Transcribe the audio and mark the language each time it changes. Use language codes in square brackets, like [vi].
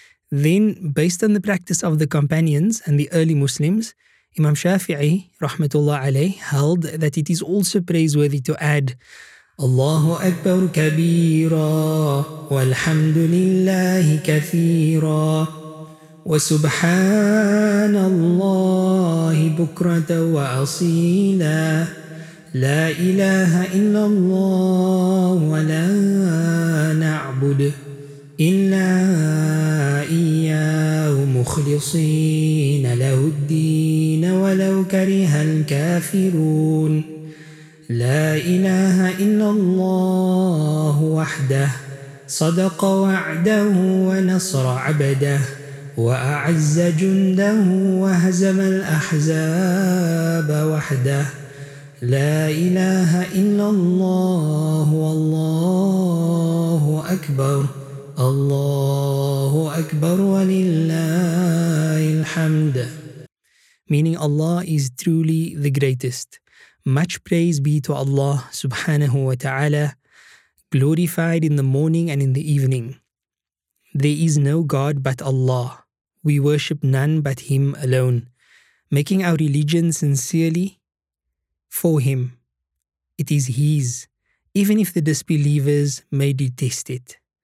[en] Then, based on the practice of the companions and the early Muslims, Imam Shafi'i, rahmatullah alayh, held that it is also praiseworthy to add, [ar] Allahu Akbar kabira, walhamdulillahi kathira, wa subhanallahi bukrata wa asila. لا إله إلا الله ولا نعبد إلا إياه مخلصين له الدين ولو كره الكافرون لا إله إلا الله وحده صدق وعده ونصر عبده وأعز جنده وهزم الأحزاب وحده لا إله إلا الله والله أكبر الله أكبر ولله الحمد [en] Meaning Allah is truly the greatest. Much praise be to Allah subhanahu wa ta'ala, glorified in the morning and in the evening. There is no God but Allah. We worship none but Him alone. Making our religion sincerely, for Him, it is His, even if the disbelievers may detest it.